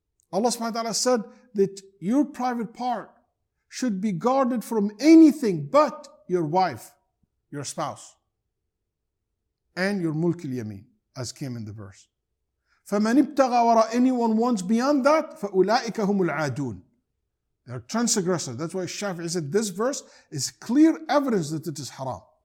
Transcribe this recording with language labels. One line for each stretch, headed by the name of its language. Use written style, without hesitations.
English: Allah subhanahu wa ta'ala said that your private part should be guarded from anything but your wife, your spouse, and your mulk al-yameen, as came in the verse.
Arabic: فَمَنْ ابْتَغَى وَرَى
English: anyone wants beyond that,
Arabic: فَأُولَٰئِكَ هُمُ الْعَادُونَ.
English: They're transgressors. That's why Shafi'i said this verse is clear evidence that it is haram.